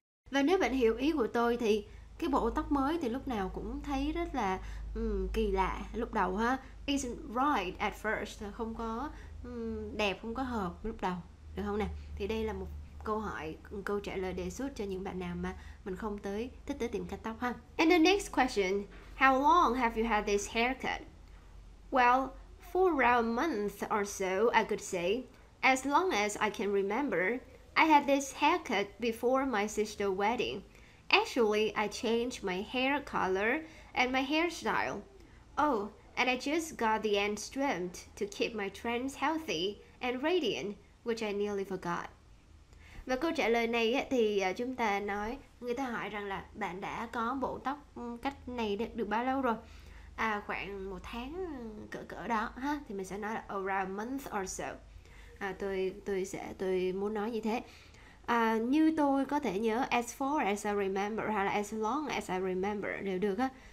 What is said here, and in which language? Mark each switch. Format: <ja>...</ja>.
<vi>Và nếu bạn hiểu ý của tôi thì cái bộ tóc mới thì lúc nào cũng thấy rất là kỳ lạ lúc đầu ha.</vi> <en>Isn't right at first,</en> <vi>không có đẹp, không có hợp lúc đầu, được không nè? Thì đây là một câu hỏi, một câu trả lời đề xuất cho những bạn nào mà mình không tới thích tới tiệm cắt tóc ha.</vi> <en>And the next question, how long have you had this haircut? Well, for around a month or so, I could say. As long as I can remember, I had this haircut before my sister's wedding. Actually, I changed my hair color and my hairstyle. Oh, and I just got the ends trimmed to keep my trends healthy and radiant, which I nearly forgot.</en> <vi>Và câu trả lời này thì chúng ta nói, người ta hỏi rằng là bạn đã có bộ tóc cách này được bao lâu rồi? À, khoảng một tháng cỡ đó ha, thì mình sẽ nói là</vi> <en>around a month or so.</en> <vi>À, tôi muốn nói như thế. À, như tôi có thể nhớ,</vi> <en>as far as I remember</en> <vi>hay là</vi> <en>as long as I remember</en> <vi>đều được ha.</vi>